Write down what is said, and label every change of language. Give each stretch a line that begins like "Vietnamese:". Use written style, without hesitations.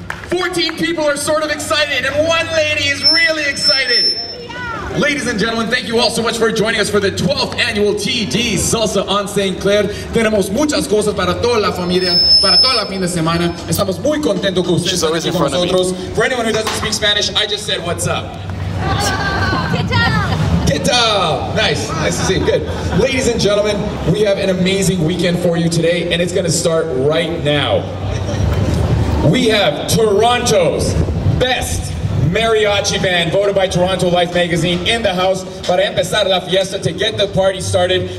English: 14 people are sort of excited, and one lady is really excited. Ladies and gentlemen, thank you all so much for joining us for the 12th annual TD Salsa on St. Clair.
Spanish: Tenemos muchas cosas para toda la familia, para toda la fin de semana. Estamos muy contentos con ustedes aquí con nosotros.
English: For anyone who doesn't speak Spanish, I just said what's up.
Spanish: ¿Qué tal? ¿Qué tal?
English: Nice, nice to see you, good. Ladies and gentlemen, we have an amazing weekend for you today, and it's going to start right now. We have Toronto's best mariachi band, voted by Toronto Life magazine, in the house
Spanish: para empezar la fiesta,
English: to get the party started.